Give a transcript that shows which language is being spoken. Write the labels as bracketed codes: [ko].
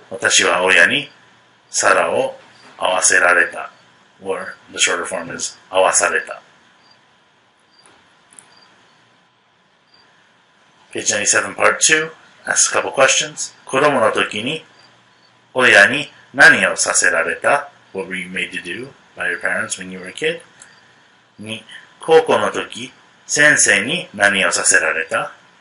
[ja] 私は親に皿を合わせられた。 [en] Or the shorter form is 合わされた。 Page 97, part 2. Ask a couple questions. [ja] 子供の時に親に何をさせられた？ [en] What were you made to do by your parents when you were a kid? 2. [ja] 高校の時、先生に何をさせられた？